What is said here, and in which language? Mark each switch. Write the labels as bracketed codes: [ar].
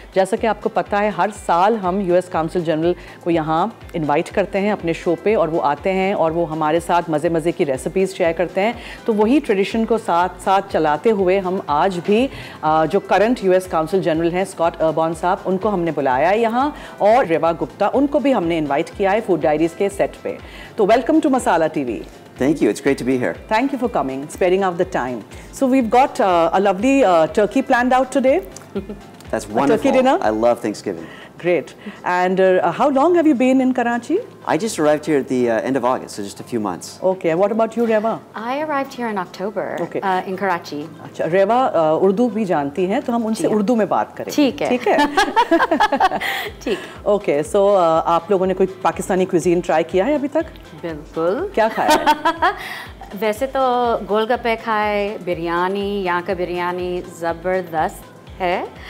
[hi] जैसा कि आपको पता है, हर साल हम US काउंसिल जनरल को यहाँ इनवाइट करते हैं अपने शो पे, और वो आते हैं और वो हमारे साथ मज़े मज़े की रेसिपीज़ शेयर करते हैं। तो वही ट्रेडिशन को साथ साथ चलाते हुए हम आज भी जो करंट US काउंसिल जनरल हैं स्कॉट अर्बॉन साहब, उनको हमने बुलाया है यहाँ, और रेवा गुप्ता, उनको भी हमने इन्वाइट किया है फूड डायरीज़ के सेट पर। [en] तो welcome to masala TV। Thank you. It's great to be here. Thank you for coming, sparing out the time. So we've got a lovely turkey planned out today. That's wonderful. A turkey dinner. I love Thanksgiving. Great. And how long have you been in Karachi? I just arrived here at the end of August, so just a few months. Okay. And what about you, Reva? I arrived here in October. Okay. In Karachi. [hi] अच्छा, Reva Urdu भी जानती हैं, तो हम उनसे उर्दू में बात करेंगे. ठीक है. ठीक है. ठीक. [en] Okay. [hi] So आप लोगों ने कोई पाकिस्तानी cuisine try किया है अभी तक? बिल्कुल. क्या खाया? वैसे तो गोलगप्पे खाए, बिरयानी, यहाँ का बिरयानी जबरदस्त है.